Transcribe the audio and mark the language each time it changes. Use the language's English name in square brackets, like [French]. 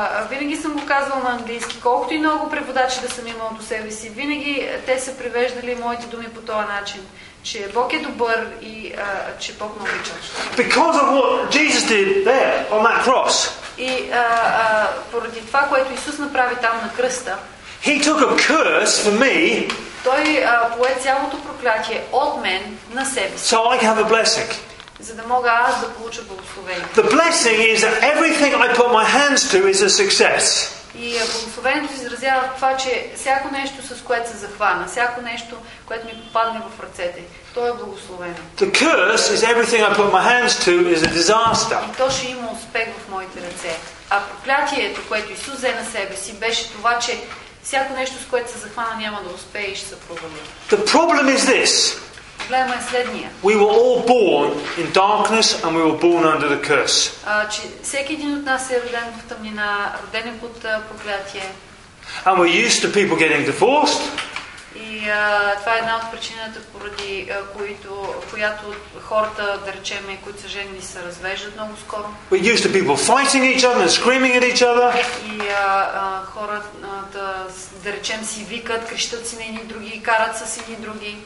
[Bulgarian] Винаги съм го казвал на английски, колкото и много преводачи да съм имал до себе си, винаги те са превеждали моите думи по този начин, че Бог е добър и че Бог ме обича. [English] Because of what Jesus did there on that cross. [Bulgarian] И поради това, което Исус направи там на кръста. [English] He took a curse for me. [Bulgarian] Той пое цялото проклятие от мен на себе си. [English] So I can have a blessing. [Bulgarian] За да мога аз да получа благословение. [English] The blessing is that everything I put my hands to is a success. [Bulgarian] И благословението изразява това, че всяко нещо, с което се захвана, всяко нещо, което ми попадне в ръцете, то е благословено. [English] The curse is everything I put my hands to is a disaster. [Bulgarian] И то ще има успех в моите ръце. А проклятието, което Исус взе на себе си, беше това, че всяко нещо, с което се захвана, няма да успее и ще се провали. [English] The problem is this. [Bulgarian] Проблемът е следния. [English] We were all born in darkness and we were born under the curse. [Bulgarian] Че всеки един от нас е роден в тъмнина, роден под проклятие. [English] And we're used to people getting divorced. [Bulgarian] И това е една от причината, поради която хората, да речем, които са женени, се развеждат много скоро. [English] We're used to people fighting each other and screaming at each other. [Bulgarian] И хората, да речем, си викат, крещат си на едни други, карат с едни други.